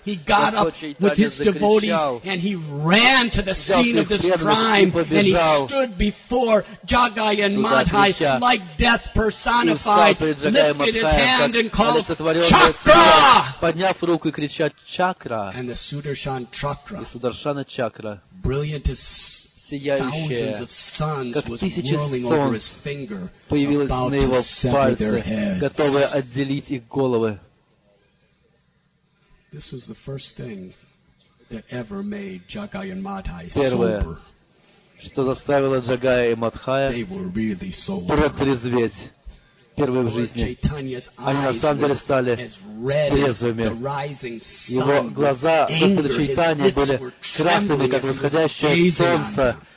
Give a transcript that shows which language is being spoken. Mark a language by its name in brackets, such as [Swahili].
[English] He got up with his devotees and he ran to the scene of this crime and he stood before Jagai and Madhai like death personified, lifted his hand and called Chakra! [Russian] Подняв руку и крича Чакра! [English] And the Sudarshan Chakra, Sudarshana Chakra, brilliant as thousands of suns was whirling over his finger, about to sever their heads. [Russian] Готовые отделить их головы. [English] This was the first thing that ever made Jagai and Madhai sober. [Russian] Что заставило Джагая и Мадхая протрезветь. Впервые в жизни они на самом деле стали трезвыми. Его глаза, Господа Чайтанья, были красными, как восходящее солнце.